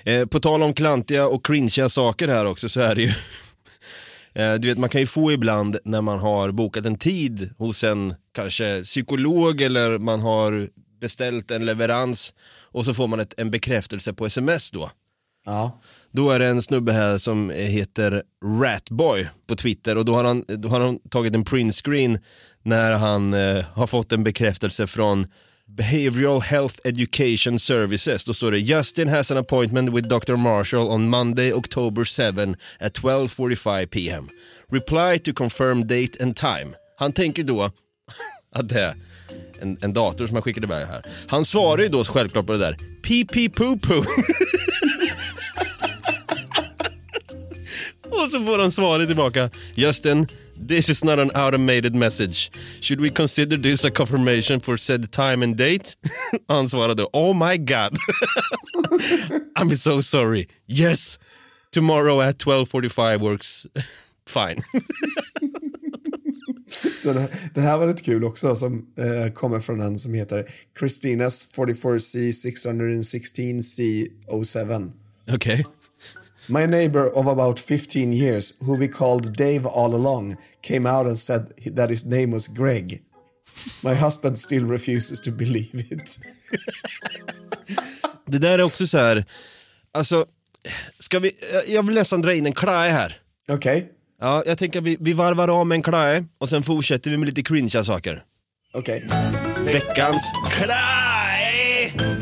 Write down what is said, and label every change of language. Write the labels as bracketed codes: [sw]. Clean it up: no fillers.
[sv] På tal om klantiga och cringiga saker här också, så är det ju... Du vet, man kan ju få ibland när man har bokat en tid hos en kanske psykolog eller man har beställt en leverans och så får man en bekräftelse på sms då. Ja. Då är det en snubbe här som heter Ratboy på Twitter, och då har han tagit en printscreen när han har fått en bekräftelse från Behavioral Health Education Services. Då står det: [en] Justin has an appointment with Dr. Marshall on Monday, October 7 at 12:45 p.m. Reply to confirm date and time. [sv] Han tänker då att det är en dator som har skickat iväg här. Han svarar ju då självklart på det där: [en] pee pee poo poo. [sv] Och så får han svaret tillbaka: [en] Justin, this is not an automated message. Should we consider this a confirmation for said time and date? [sv] Han svarade: [en] oh my god. I'm so sorry. Yes, tomorrow at 12:45 works fine. [sv] Den här var lite kul också, som kommer från en som heter Christina's 44C616C07. Okej. [en] My neighbor of about 15 years, who we called Dave all along, came out and said that his name was Greg. My husband still refuses to believe it. [sv] Det där är också så här, alltså, ska vi, jag vill nästan dra in en klaj här. Okej. Okay. Ja, jag tänker att vi varvar av med en klaj och sen fortsätter vi med lite cringe saker. Okej. Okay. Veckans klaj!